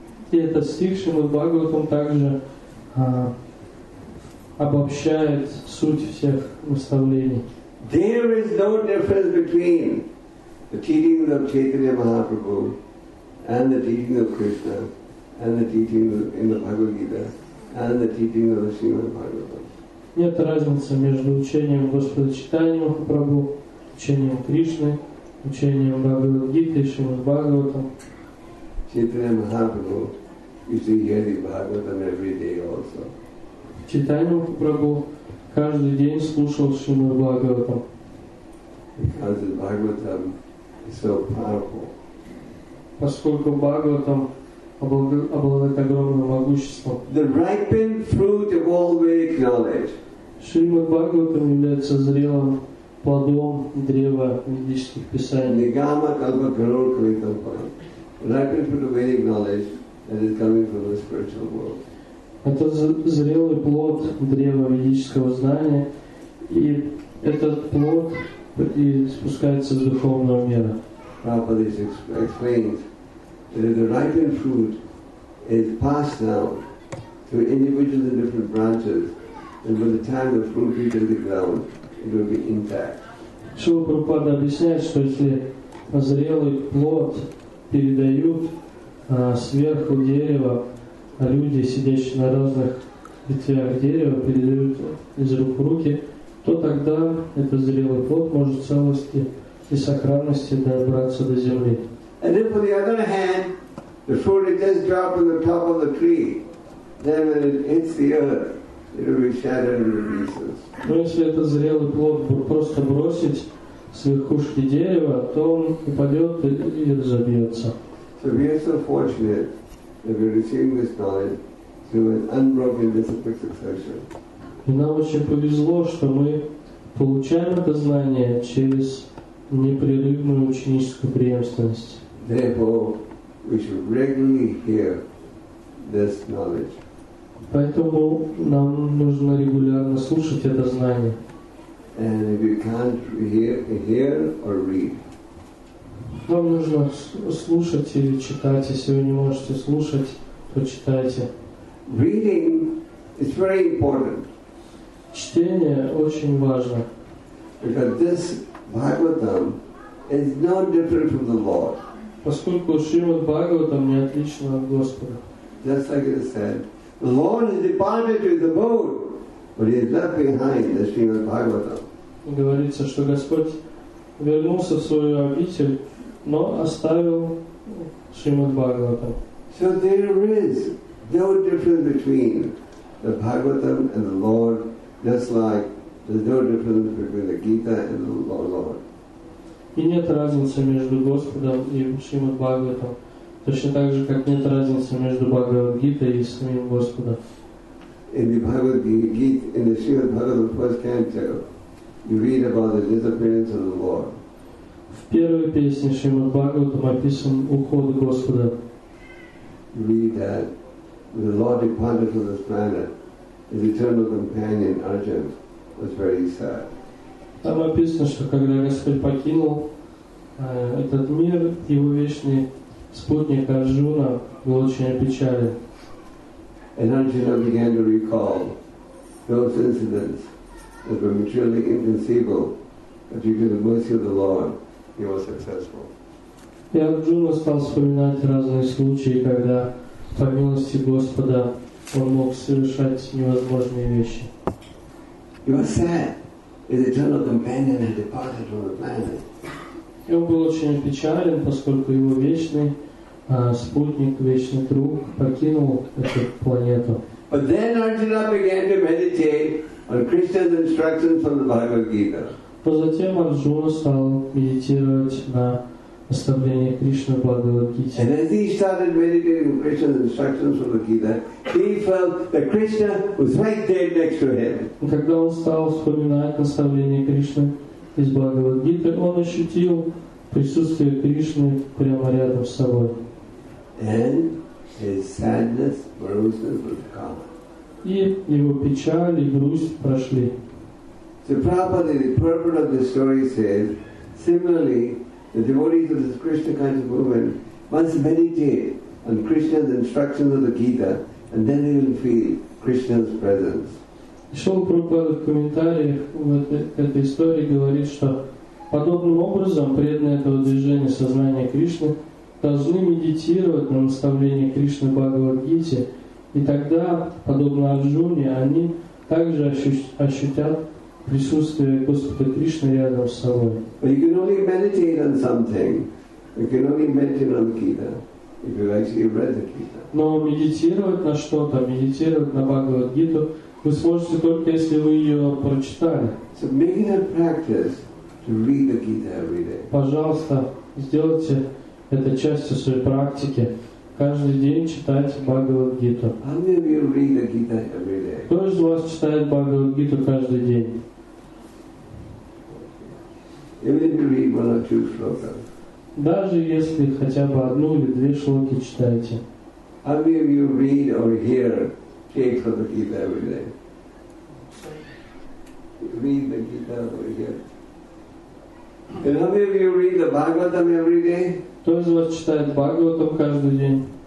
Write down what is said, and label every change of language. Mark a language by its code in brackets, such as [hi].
[ru] И этот стих Шримад Бхагаватам также обобщает суть всех наставлений. [en] There is no difference between the teachings of Chaitanya Mahaprabhu and the teachings of Krishna and the teachings in the Bhagavad Gita and the teachings of the Srimad Bhagavatam. [ru] Нет разницы между учением Господа Чайтаньи Махапрабху, учением Кришны, учением Бхагавад Гиты и Шримад Бхагаватам. [en] Chaitanya Mahaprabhu, you see, hear the Bhagavatam every day also. [ru] Chaitanya Mahaprabhu каждый день слушал Шримад Бхагаватам. [en] Because the Bhagavatam is so powerful. [ru] Поскольку Бхагаватам обладает огромным могуществом. [en] The ripened fruit of all Vedic knowledge. [ru] Шримад Бхагаватам является зрелым плодом древа ведических писаний. [sa] Нигама калпа гарур калитам парам. [en] Ripened fruit of Vedic knowledge. And it's coming from the spiritual world. [ru] Это зрелый плод древа ведического знания, и этот плод и спускается в духовного мира. [en] Prabhupada explains that the ripened fruit is passed down to individuals in different branches, and by the time the fruit reaches the ground, it will be intact. [ru] Шрила Прабхупада объясняет, что если зрелый плод передают сверху дерева, а люди, сидящие на разных ветвях дерева, передают из рук в руки, то тогда этот зрелый плод может в целости и сохранности добраться до земли. [en] And if on the other hand, the fruit is just dropped from the top of the tree, then when it hits the earth, it will be shattered into pieces. [ru] Но если этот зрелый плод просто бросить с верхушки дерева, то он упадет и разобьется. [en] So we are so fortunate that we are receiving this knowledge through an unbroken disciplic succession. [ru] И нам очень повезло, что мы получаем это знание через непрерывную ученическую преемственность. [en] Therefore, we should regularly hear this knowledge. [ru] Поэтому нам нужно регулярно слушать это знание. [en] And if you can't hear or read. [ru] Вам нужно слушать или читать, если вы не можете слушать, то читайте. [en] Reading is very important. [ru] Чтение очень важно. [en] Because this Bhagavatam is no different from the Lord. [ru] Поскольку Шримад Бхагаватам не отлично от Господа. [en] Just like it said, the Lord has departed to the boat, but he has left behind the Srimad Bhagavatam. [ru] Говорится, что Господь вернулся в свою обитель, но оставил Шримад Бхагаватам. [en] So there is no difference between the Bhagavatam and the Lord, just like there's no difference between the Gita and the Lord. [ru] И нет разницы между Господом и Шримад Бхагаватам. Точно так же, как нет разницы между Бхагавад-гитой и самим Господом. [en] In the Bhagavad-gita, in the Srimad Bhagavatam, first canto, you read about the disappearance of the Lord. [ru] В первой песне Шримад Бхагаватам описан уход Господа. [en] You read that the Lord departed from this planet. His eternal companion Arjun was very sad. [ru] Там описано, что когда Господь покинул этот мир, его вечный спутник Арджуна был очень опечален. [en] And Arjuna began to recall those incidents that were materially inconceivable, but due to the mercy of the Lord, he was successful. [ru] И Арджуна стал вспоминать разные случаи, когда по милости Господа он мог совершать невозможные вещи. [en] He was sad. His eternal companion had departed from the planet. [ru] И он был очень опечален, поскольку его вечный спутник, вечный друг, покинул эту планету. [en] But then Arjuna began to meditate on Krishna's instructions from the Bhagavad Gita. [ru] Но затем Арджуна стал медитировать на наставлениях Кришны в Бхагавад Гите. [en] And as he started meditating on Krishna's instructions from the Gita, he felt that Krishna was right there next to him. [ru] Когда он стал вспоминать наставления Кришны из Бхагавад Гиты, он ощутил присутствие Кришны прямо рядом с собой. [en] And his sadness rose with calm. [ru] И его печаль и грусть прошли. [en] So Prabhupada, the purport of the story says, similarly, the devotees of this Krishna kind of movement must meditate on Krishna's instructions of the Gita, and then they will feel Krishna's presence. [ru] Шрила Прабхупада в комментариях в этой истории говорит, что подобным образом преданные этого движения сознания Кришны должны медитировать на наставление Кришны Бхагавад-гите, и тогда, подобно Арджуне, они также ощутят присутствие Господа Кришны рядом с собой. [en] But you can only meditate on something. You can only meditate on the Gita if you actually read the Gita. [ru] Но медитировать на что-то, медитировать на Бхагавад-гиту, вы сможете только если вы ее прочитали. [en] So make it a practice to read the Gita every day. [ru] Пожалуйста, сделайте это частью своей практики. Каждый день читайте Бхагавад-гиту. [en] How many of you read the Gita every day? [ru] Кто из вас читает Бхагавад-гиту каждый день? [en] Even if you read one or two shlokas. [ru] Даже если хотя бы одну или две шлоки читаете. [en] How many of you read or hear text of the Gita every day? Read the Gita every day. And how many of you read the Bhagavatam every day? [ru] Кто из вас читает Бхагаватам каждый день?